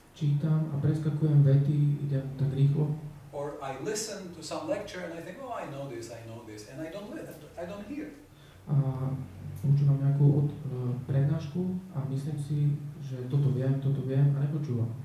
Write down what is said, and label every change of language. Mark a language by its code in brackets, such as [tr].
[sk] Čítam a preskakujem vety, idem tak rýchlo. [en] Or I listen to some lecture and I think, oh, I know this, I know this, and I don't listen, I don't hear. [sk] A počúvam nejakú prednášku a myslím si, že toto viem a nepočúvam.